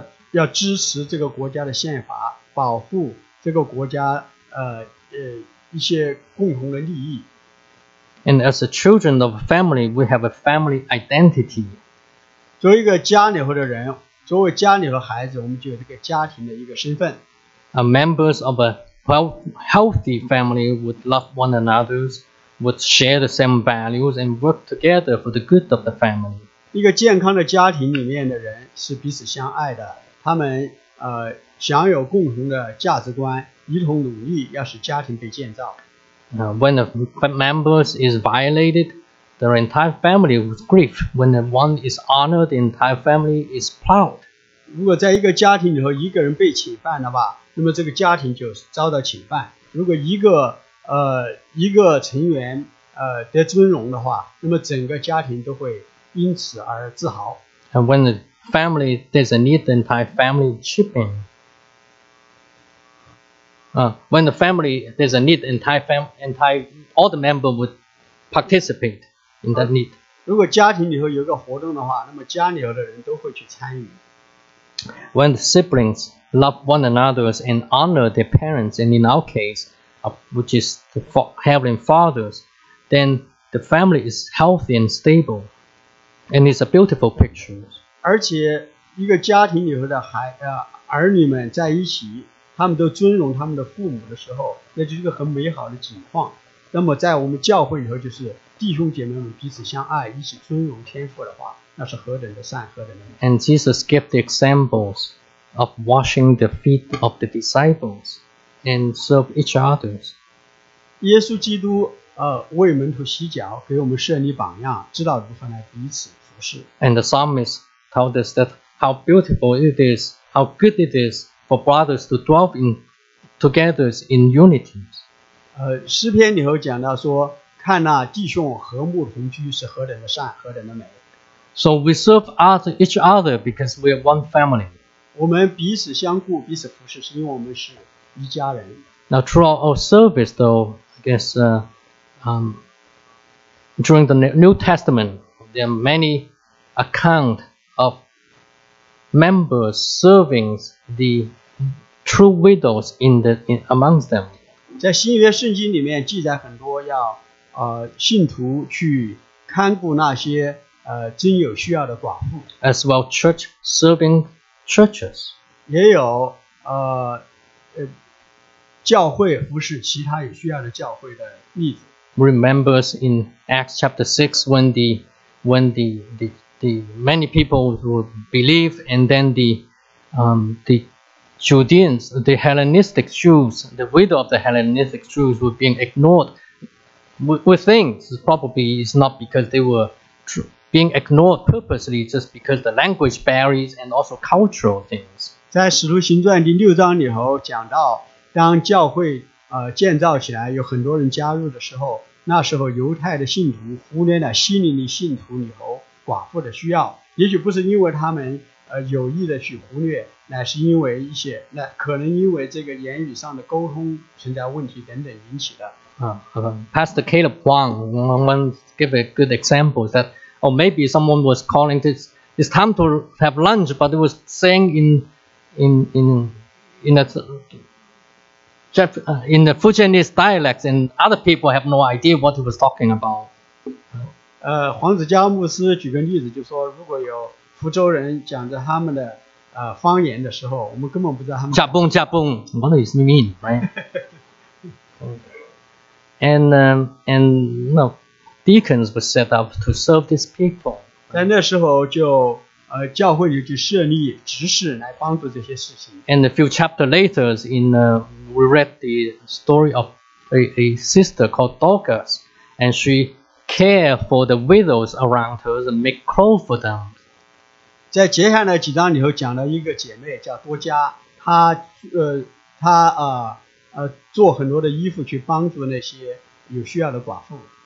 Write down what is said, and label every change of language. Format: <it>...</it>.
<zh>要支持这个国家的宪法，保护这个国家一些共同的利益。</zh> <en>And as the children of family, we have a family identity.</en> <zh>作为一个家里头的人，作为家里头孩子，我们就有这个家庭的一个身份。</zh> <en>A members of a healthy family would love one another, would share the same values, and work together for the good of the family.</en> <zh>一个健康的家庭里面的人是彼此相爱的，他们享有共同的价值观，一同努力，要使家庭被建造。</zh> <en>When a member is violated, the entire family would grieve. When one is honored, the entire family is proud.</en> <zh>如果在一个家庭里头一个人被侵犯的话，那么这个家庭就遭到侵犯。如果一个成员得尊荣的话，那么整个家庭都会因此而自豪。</zh> <en>And when the family does need the entire family chipping. When the family there's a need, all the members would participate in that need.</en> <zh>如果家庭里头有个活动的话，那么家里头的人都会去参与。</zh> <en>When the siblings love one another and honor their parents, and in our case, which is the heavenly fathers, then the family is healthy and stable, and it's a beautiful picture.</en> <zh>而且一个家庭里头的儿女们在一起。他们都尊荣他们的父母的时候，那就是一个很美好的景况。那么在我们教会里头，就是弟兄姐妹们彼此相爱，一起尊荣天父的话，那是何等的善，何等的美。</zh> <en>And Jesus gave the examples of washing the feet of the disciples and serve each other.</en> <zh>耶稣基督为门徒洗脚，给我们设立榜样，知道如何来彼此服侍。</zh> <en>And the psalmist told us that how beautiful it is, how good it is. For brothers to dwell in together in unity.</en> <zh>诗篇里头讲到说，看那弟兄和睦同居是何等的善，何等的美。</zh> <en>So we serve each other because we are one family.</en> <zh>我们彼此相顾，彼此服侍，是因为我们是一家人。</zh> <en>Now throughout our service, though, I guess, during the New Testament, there are many account of. Members serving the true widows in amongst them.</en> <zh>在新约圣经里面记载很多要信徒去看顾那些真有需要的寡妇。</zh> <en>As well, church serving churches.</en> <zh>也有教会服侍其他有需要的教会的例子。</zh> <en>Remember in Acts chapter 6 when the many people would believe, and then the Judeans, the Hellenistic Jews, the widow of the Hellenistic Jews were being ignored. We think probably it's not because they were being ignored purposely, just because the language barriers and also cultural things.</en> <zh>在使徒行传第六章里头讲到，当教会建造起来，有很多人加入的时候，那时候犹太的信徒忽略了希律的信徒里头。寡妇的需要，也许不是因为他们有意的去忽略，乃是因为一些，那可能因为这个言语上的沟通存在问题等等引起的。</zh> <en>Pastor Caleb Huang once gave a good example that, or maybe someone was calling this, it's time to have lunch, but it was saying in the Fujianese dialects, and other people have no idea what he was talking about.</en> <zh>黄子佳牧师举个例子，就说如果有福州人讲着他们的方言的时候，我们根本不知道他们。驾崩驾崩</zh> <en>，What does it mean, right? and no, deacons were set up to serve these people.</en> <zh>在那时候就教会就设立执事来帮助这些事情。</zh> <en>And a few chapters later, we read the story of a sister called Dorcas, and she. Care for the widows around her and make clothes for them.</en> <zh>在接下来几章里头讲了一个姐妹叫多加，她做很多的衣服去帮助那些有需要的寡妇。</zh>